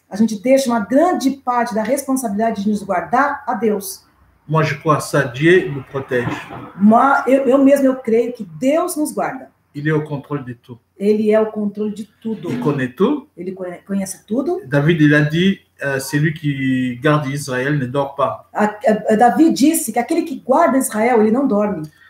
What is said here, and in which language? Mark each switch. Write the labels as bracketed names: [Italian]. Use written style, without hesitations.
[Portuguese] A gente deixa uma grande parte da responsabilidade de nos guardar a Deus. [French] Moi je crois ça, Dieu nous protège. [Portuguese] Moi eu creio que Deus nos guarda. [French] Il est au contrôle de tout. [Portuguese] Ele é o controle de tudo. [French] Il connaît tout. [Portuguese] Ele conhece tudo. [French] David il a dit c'est lui qui garde Israël ne dort pas. [Portuguese] David disse que aquele que guarda Israel, ele não dorme.